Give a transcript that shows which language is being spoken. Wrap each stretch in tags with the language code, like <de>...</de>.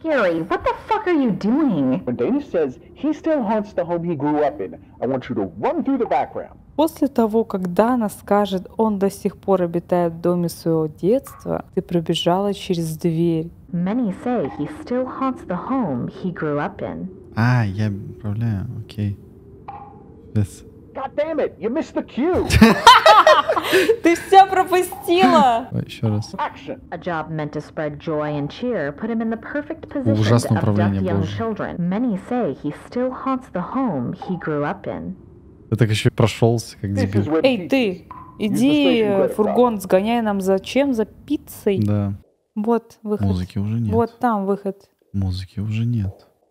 <en>Gary, what the fuck are you doing? When Danish says he still haunts the home he grew up in, I want you to run through the background.</en> <ru>После того, как Дана скажет, он до сих пор обитает в доме своего детства, ты пробежала через дверь.</ru> <en>Many say he still haunts the home he grew up in.</en> <ru>А, я управляю, окей.</ru> <en>God damn it, you missed the cue.</en> <ru>Ты все пропустил. пропустила. Еще раз.</ru> <en>A job meant to spread joy and cheer put him in the perfect position to abduct young children. Many say he still haunts the home he grew up in.</en> <ru>Ты так еще и прошелся, как дебил. Эй, ты, иди фургон, сгоняй нам зачем? За пиццей? Да. Вот выход. Музыки уже нет. Вот там выход. Музыки уже нет.</ru>